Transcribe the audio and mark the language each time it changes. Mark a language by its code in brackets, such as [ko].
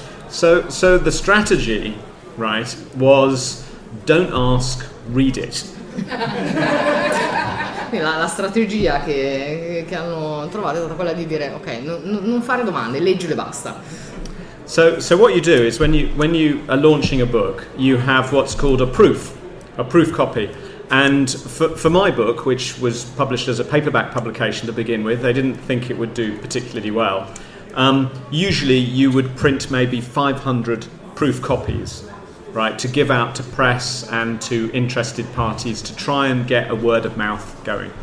[en] So the strategy, right, was don't ask, read it. [it] La strategia che hanno trovato è stata quella di dire ok, non fare domande, leggi e basta. [en] So what you do is when you are launching a book, you have what's called a proof copy. And for my book, which was published as a paperback publication to begin with, they didn't think it would do particularly well. Usually you would print maybe 500 proof copies, right, to give out to press and to interested parties to try and get a word of mouth going.